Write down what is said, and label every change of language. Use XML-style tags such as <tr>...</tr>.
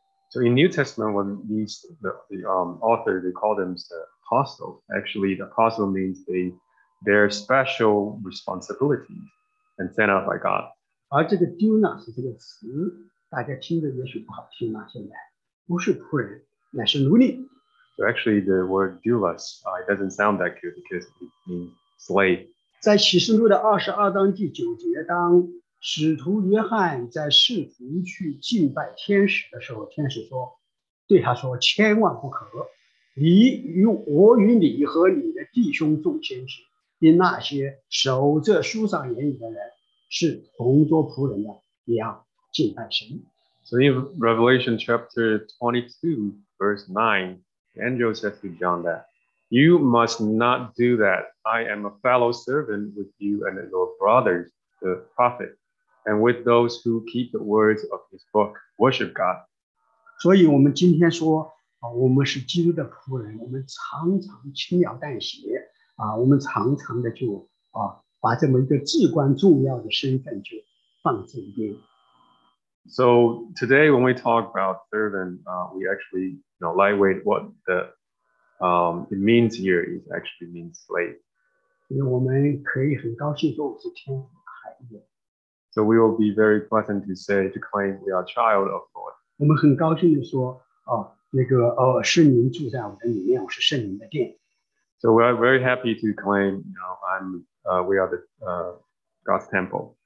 <en>So in New Testament, when these the author they call them the apostle. Actually, the apostle means their special responsibilities and sent out by God.</en> <zh>而这个 dunas 这个词，大家听着也许不好听嘛。现在不是仆人，乃是奴隶。</zh> <en>So actually, the word doulos, it doesn't sound that good because it means slave.</en> <zh>在启示录的二十二章第九节，当使徒约翰在侍奉去敬拜天使的时候，天使说，对他说，千万不可，我与你和你的弟兄众先知，因那些守着书上言语的人是同作仆人的，也要敬拜神。</zh> <en>So in Revelation chapter 22, verse 9. Angel said to John that, you must not do that. I am a fellow servant with you and your brothers, the prophet, and with those who keep the words of his book, worship God.</en> <zh>所以我们今天说，我们是基督的仆人，我们常常轻描淡写，我们常常的就把这么一个至关重要的身份就放在一边。</zh> <en>So today when we talk about servant, we actually, you know, lightweight what the, it means here is actually means slave.</en> <zh>因为我们可以很高兴说我是天父的孩子。</zh> <en>So we will be very pleasant to say, to claim we are child of God.</en> <zh>我们很高兴地说，圣灵住在我的里面，我是圣灵的殿。</zh> <en>So we are very happy to claim, you know, we are the, God's temple.</en>